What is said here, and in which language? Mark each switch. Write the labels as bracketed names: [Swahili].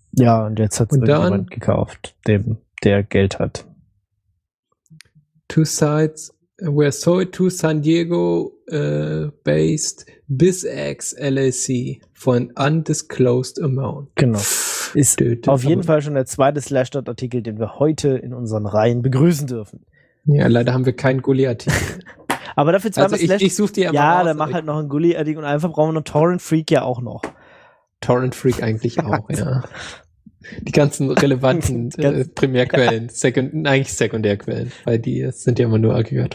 [German] Ja, und jetzt hat es irgendjemand gekauft, der Geld hat. [English] Two Sides were sold to San Diego based BizX LLC for an undisclosed amount. [German] Genau. Ist auf jeden Fall schon der zweite Slashdot-Artikel, den wir heute in unseren Reihen begrüßen dürfen. Ja, leider haben wir keinen Gulli-Artikel. Aber dafür zweimal also Slashdot. Ich such dir ja mal raus, dann mach halt noch einen Gulli-Artikel und einfach brauchen wir noch Torrent Freak ja auch noch. Torrent Freak eigentlich auch, ja. Die ganzen relevanten Primärquellen, Sekundärquellen, weil die sind ja immer nur aggregiert.